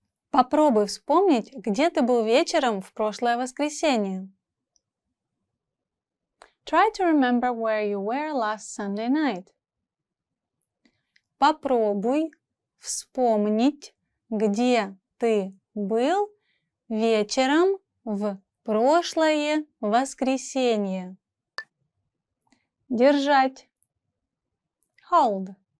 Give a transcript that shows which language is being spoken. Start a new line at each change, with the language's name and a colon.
Russian: Попробуй вспомнить, где ты был вечером в прошлое воскресенье.
English: Try to remember where you were last Sunday night.
Russian: Попробуй вспомнить, где ты был вечером в прошлое воскресенье. Держать.
English: Hold.